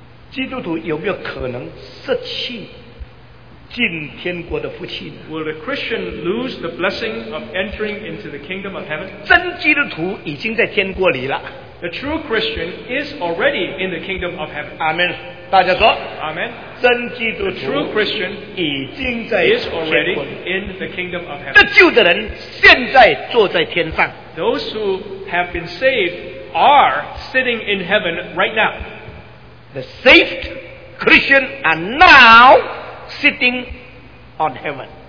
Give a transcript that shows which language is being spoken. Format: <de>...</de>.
<zh>基督徒有没有可能失去</zh> <en>Will a Christian lose the blessing of entering into the kingdom of heaven?</en> <zh>真基督徒已经在天国里了。</zh> <en>The true Christian is already in the kingdom of heaven.</en> <zh>Amen. 大家说,</zh> <en>Amen.</en> <zh>真基督徒,</zh> <en>the true Christian is already in the kingdom of heaven.</en> <zh>那救的人现在坐在天上。</zh> <en>Those who have been saved are sitting in heaven right now. The saved Christian are now sitting on heaven.</en>